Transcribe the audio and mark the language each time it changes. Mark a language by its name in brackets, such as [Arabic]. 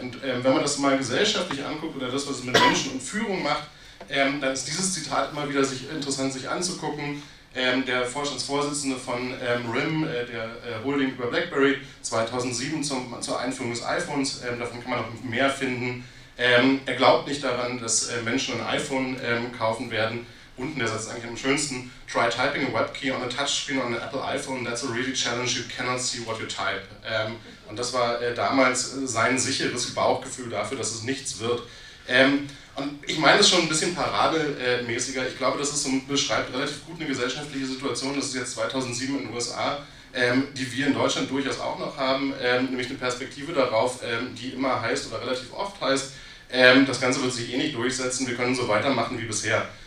[German] Und wenn man das mal gesellschaftlich anguckt oder das, was es mit Menschen und Führung macht, dann ist dieses Zitat immer wieder interessant sich anzugucken. Der Vorstandsvorsitzende von RIM, der Holding über BlackBerry, 2007 zur Einführung des iPhones, davon kann man noch mehr finden. Er glaubt nicht daran, dass Menschen ein iPhone kaufen werden. Unten der Satz ist eigentlich am schönsten. [English] Try typing a web key on a touchscreen on an Apple iPhone, that's a really challenge, you cannot see what you type. [German] Und das war damals sein sicheres Bauchgefühl dafür, dass es nichts wird. Und ich meine es schon ein bisschen parabelmäßiger. Ich glaube, das ist so, beschreibt relativ gut eine gesellschaftliche Situation. Das ist jetzt 2007 in den USA, die wir in Deutschland durchaus auch noch haben, nämlich eine Perspektive darauf, die immer heißt oder relativ oft heißt, das Ganze wird sich eh nicht durchsetzen, wir können so weitermachen wie bisher.